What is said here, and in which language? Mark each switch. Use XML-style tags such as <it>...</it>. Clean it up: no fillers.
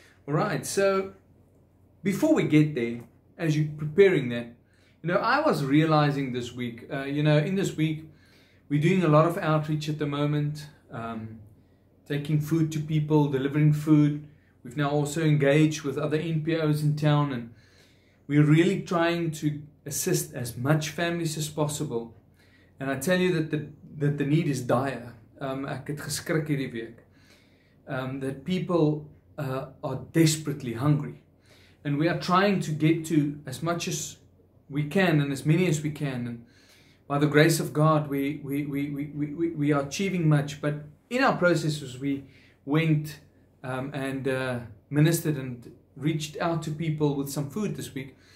<en>All right, so before we get there, as you're preparing that, you know, I was realizing this week, in this week, we're doing a lot of outreach at the moment, taking food to people, delivering food. We've now also engaged with other NPOs in town, and we're really trying to assist as much families as possible. And I tell you that the need is dire.</en> <af>Ek het geskrik hierdie week.</af> <en>That people are desperately hungry. And we are trying to get to as much as we can and as many as we can. And by the grace of God, we are achieving much. But in our processes, we went and ministered and reached out to people with some food this week.</en>